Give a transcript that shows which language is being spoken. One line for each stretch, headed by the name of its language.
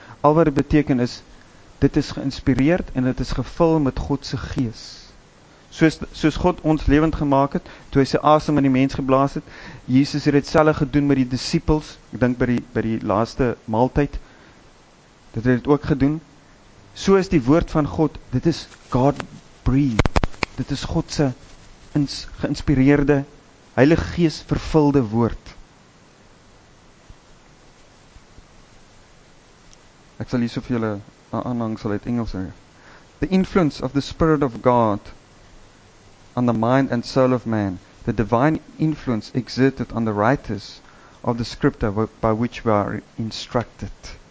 Afrikaans: Al wat dit beteken is, dit is geïnspireerd en dit is gevul met Godse gees. Soos God ons lewend gemaak het, toe hy sy asem in die mens geblaas het, Jesus het dit selfe gedoen met die disciples, ek dink by die laaste maaltyd, dat hy dit ook gedoen. So is die woord van God, dit is God breathed, dit is God se geïnspireerde, Heilige Gees vervulde woord. Ek sal hier so vir julle aanhangsel uit Engels sê.
English: The influence of the Spirit of God on the mind and soul of man, the divine influence exerted on the writers of the scripture by which we are instructed.